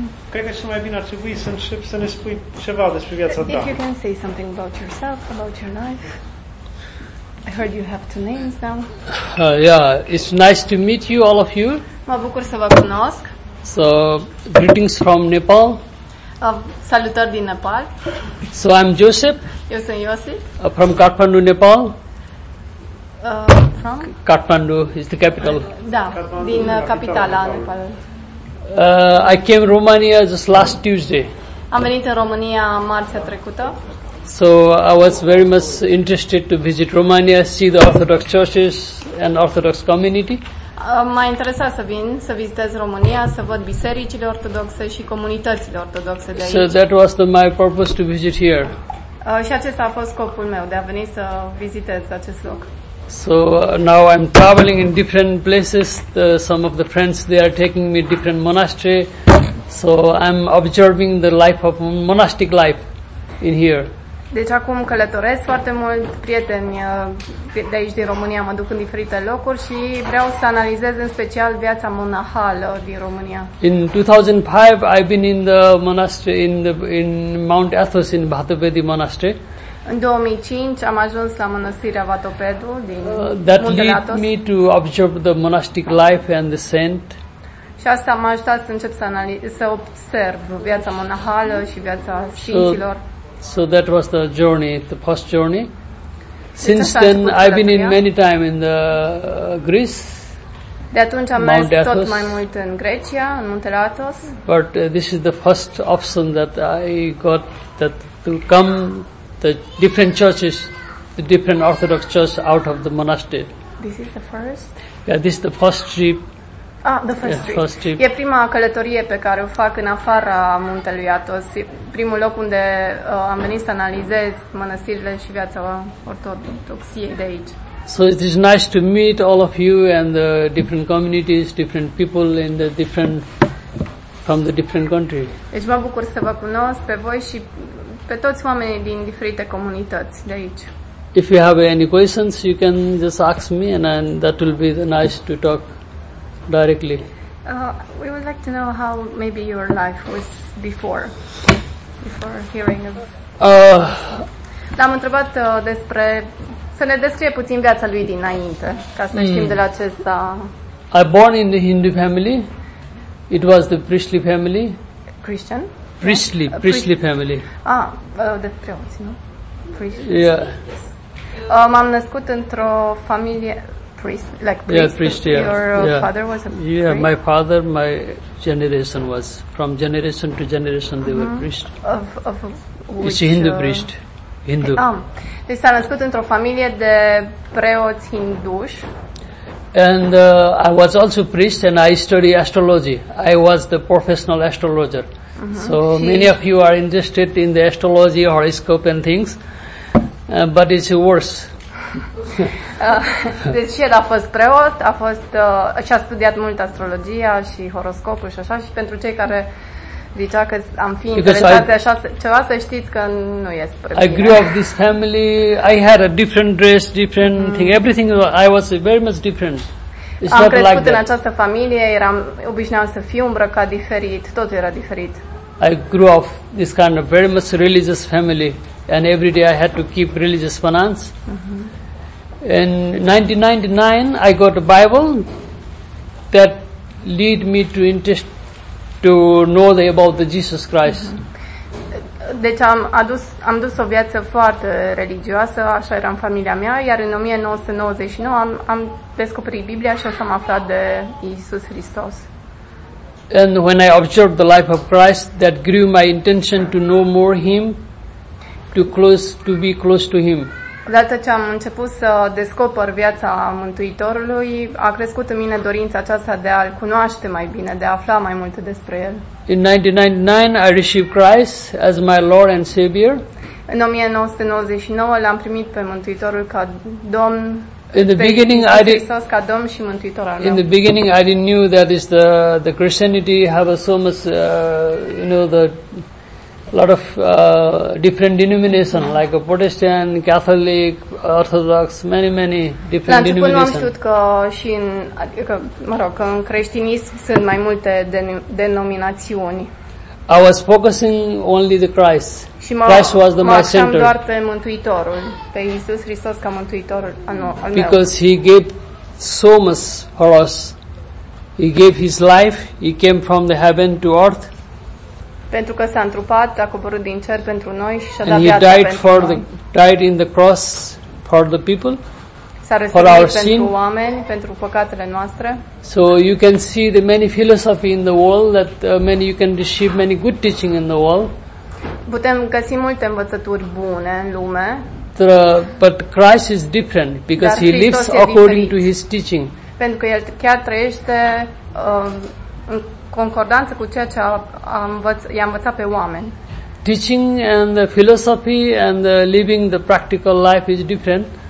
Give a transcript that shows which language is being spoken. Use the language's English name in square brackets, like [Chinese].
[Romanian] Cred că cel mai bine ar trebui să începi să ne spui ceva despre viața ta. [English] If you can say something about yourself, about your life. I heard you have two names now. It's nice to meet you, all of you. [Romanian] Mă bucur să vă cunosc. [English] So, greetings from Nepal. [Romanian] Salutări din Nepal. [English] So, I'm Joseph. [Romanian] Eu sunt Iosif. [English] From Kathmandu, Nepal. From? Kathmandu is the capital. [Romanian] Da, Kathmandu, din capitala Nepalului. [English] I came to Romania just last Tuesday. [Romanian] Am venit în România marțea trecută. [English] So I was very much interested to visit Romania, see the Orthodox churches and Orthodox community. [Romanian] M-a interesat să vin, să vizitez România, să văd bisericile ortodoxe și comunitățile ortodoxe de aici. [English] So that was my purpose to visit here. [Romanian] Și acesta a fost scopul meu, de a veni să vizitez acest loc. [English] So now I'm traveling in different places. Some of the friends, they are taking me to different monastery. So I'm observing the life of monastic life in here. [Romanian] Deci acum călătoresc foarte mult, prieteni de aici din România mă duc în diferite locuri și vreau să analizez în special viața monahală din România. [English] In 2005 I've been in the monastery in Mount Athos in Bhatopedi monastery. [Romanian] În 2005 am ajuns la mănăstirea Vatopedu din [English] that lead me to observe the monastic life and the saint. [Romanian] Și asta m-a ajutat să încep să observ viața monahală și viața sfinților. [English] So that was the journey, the first journey. Since then I've been in many time in the Greece. [Romanian] De atunci am mers tot mai mult în Grecia, în Muntele Athos. [English] But this is the first option that I got, that to come the different churches, the different Orthodox churches out of the monastery. This is the first? Yeah, this is the first trip. The first trip. [Romanian] E prima călătorie pe care o fac în afara Muntelui Athos. Primul loc unde am venit să analizez mănăstirile și viața ortodoxiei de aici. [English] So it is nice to meet all of you and the different communities, different people in the different, from the different country. [Romanian] Deci mă bucur să vă cunosc pe voi și pe toți oamenii din diferite comunități de aici. [English] If you have any questions, you can just ask me and that will be nice to talk directly. We would like to know how maybe your life was before hearing of. [Romanian] L-am întrebat despre să ne descrie puțin viața lui dinainte, ca să știm de la ce s-a. [English] I born in the Hindu family. It was the priestly family. Christian. Priestly family. [Romanian] De preoți, nu? [English] Priestly. Yeah. [Romanian] M-am născut într-o familie [English] priest, like priest. Yeah, priest, yeah. Your father was a priest? Yeah, my father, my generation was. From generation to generation, they were priests. Of which? It's Hindu priest. Hindu. [Romanian] Deci s-a născut într-o familie de preoți hinduși. [English] And I was also priest and I studied astrology. I was the professional astrologer. So many of you are interested in the astrology, horoscope and things, but it's worse. [Romanian] Deci el a fost preot, a fost și a studiat mult astrologia și horoscopul și așa, și pentru cei care zicea că am fi interesat de așa ceva, să știți că nu e spre mine. [English] I grew up this family, I had a different dress, different thing, everything, I was very much different. It's [Romanian] am crescut [English] like [Romanian] în această familie, eram obișnuit să fiu îmbrăcat diferit, totul era diferit. [English] I grew up this kind of very much religious family and every day I had to keep religious finance. Mm-hmm. In 1999 I got a Bible that lead me to interest to know about the Jesus Christ. Mm-hmm. [Romanian] deci am dus o viață foarte religioasă, așa era în familia mea, iar în 1999 am descoperit Biblia și am aflat de Iisus Hristos. [English] And when I observed the life of Christ, that grew my intention to know more him, to be close to him. [Romanian] Odată ce am început să descoper viața Mântuitorului, a crescut în mine dorința aceasta de a-l cunoaște mai bine, de a afla mai mult despre el. [English] In 1999, I received Christ as my Lord and Savior. [Romanian] În 1999, l-am primit pe Mântuitorul ca Domn. [English] In the beginning, I didn't know that is the Christianity have so much, the lot of different denomination, like a Protestant, Catholic, Orthodox, many different denominations. [Romanian] La început nu am știut că și în, adică, mă rog, că în creștinism sunt mai multe denominațiuni. [English] I was focusing only the Christ. Christ was the my center. [Romanian] Doar pe Mântuitorul, pe Iisus Hristos ca Mântuitorul al meu. [English] Because he gave so much for us. He gave his life. He came from the heaven to earth. [Romanian] Pentru că s-a întrupat, a coborât din cer pentru noi și a dat viața pentru noi. [English] Died in the cross for the people. [Romanian] S-a răstignit pentru sin. Oameni, pentru păcatele noastre. [English] So you can see the many philosophy in the world that many you can receive many good teaching in the world. [Romanian] Putem găsi multe învățături bune în lume. [English] But Christ is different because he lives according to his teaching. [Romanian] Pentru că el chiar trăiește în concordanță cu ceea ce i-a învățat pe oameni. [English] Teaching and the philosophy and the living the practical life is different.